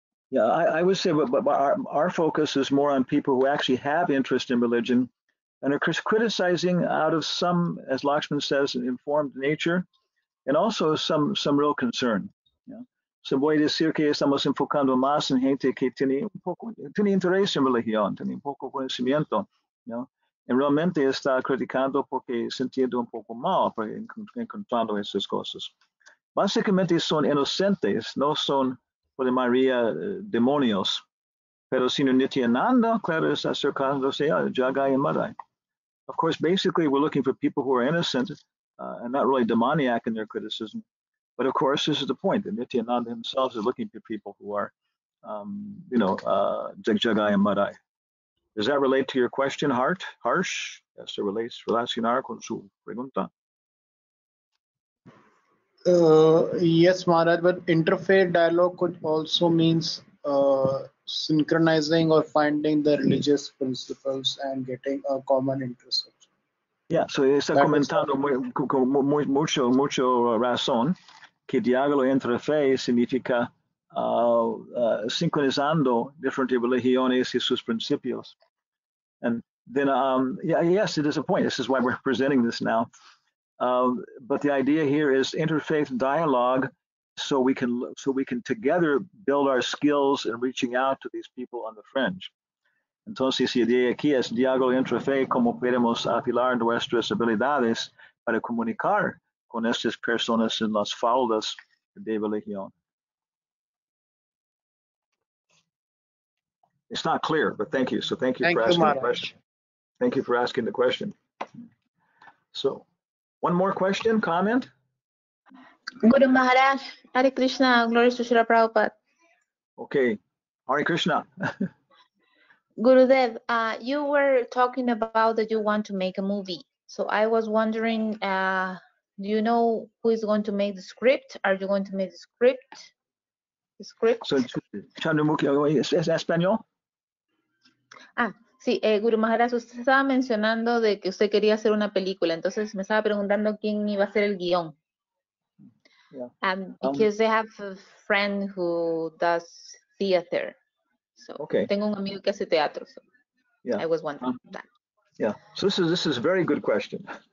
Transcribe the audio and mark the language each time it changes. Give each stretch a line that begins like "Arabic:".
English: Yeah, I would say but our focus is more on people who actually have interest in religion and are criticizing out of some, as Lakshman says, an informed nature, and also some real concern.
Spanish: Se voy decir que estamos enfocando más en gente que tiene interés en religión, tiene un poco conocimiento, ¿no? Y realmente está criticando porque sintiendo un poco mal por encontrando esas cosas. Básicamente son inocentes, no son, por la mayoría, demonios. Pero si no Nityananda, claro, está acercándose a Jagai y Madai.
English: Of course, basically, we're looking for people who are innocent and not really demoniac in their criticism. But of course, this is the point, that Nityananda himself is looking for people who are, Jagai and Madai. Does that relate to your question, Hart? Harsh? Yes, it relates,
Spanish: relacionar con su pregunta.
English: Yes, Maharaj, but interfaith dialogue could also means synchronizing or finding the religious principles and getting a common interest. Yeah, so he
Spanish: está comentando mucho razón. Que diálogo entre fe significa sincronizando diferentes religiones y sus principios.
English: And then, yes, it is a point. This is why we're presenting this now. But the idea here is interfaith dialogue so we can together build our skills in reaching out to these people on the fringe.
Spanish: Entonces, la idea aquí es diálogo entre fe, cómo podemos afilar nuestras habilidades para comunicar con estas personas en las faldas de religión.
English: It's not clear, but thank you. So thank you for asking the question. So one more question, comment? Guru Maharaj, Hare Krishna, glory to Srila Prabhupada. Okay, Hare Krishna. Gurudev, you were talking about that you want to make a movie. So I was wondering, do you know who is going to make the script? Are you going to make the script? The script?
Spanish: So, Chandramukhi, ¿es español? Ah, sí, Guru Maharaj, usted estaba mencionando de que usted quería hacer una película. Entonces, me estaba preguntando quién iba a hacer el guión.
English: Yeah. Because I have a friend who does theater. So, okay.
Spanish: Tengo un amigo que hace teatro. So
English: yeah. I was wondering that. Yeah, so this is a very good question.